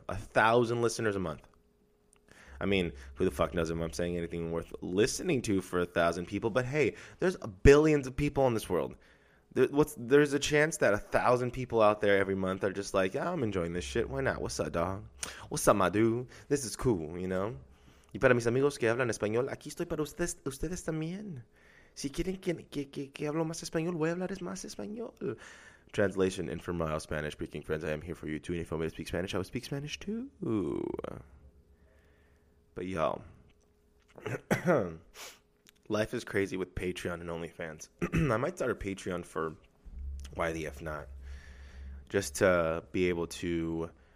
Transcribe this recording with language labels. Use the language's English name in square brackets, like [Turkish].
[English] 1,000 listeners a month. I mean, who the fuck knows if I'm saying anything worth listening to for 1,000 people? But, hey, there's billions of people in this world. There's a chance that 1,000 people out there every month are just like, yeah, I'm enjoying this shit. Why not? What's up, dog? What's up, my dude? This is cool, you know? [Spanish] Y para mis amigos que hablan español, aquí estoy para ustedes también. Si quieren que hablo más español, voy a hablar más español. [English] Translation, and for my Spanish-speaking friends, I am here for you too. And if you want me to speak Spanish, I will speak Spanish too. But y'all, life is crazy with Patreon and OnlyFans. I might start a Patreon for Why the F Not, just to be able to